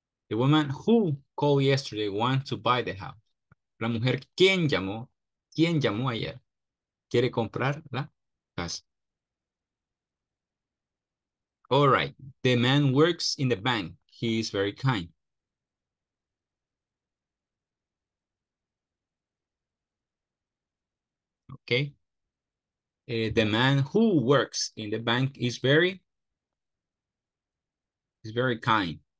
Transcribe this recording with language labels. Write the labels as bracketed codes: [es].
[en] The woman who called yesterday wants to buy the house. [es] La mujer, quien llamó ayer, quiere comprar la casa. [en] All right, the man works in the bank. He is very kind. Okay. The man who works in the bank is very kind.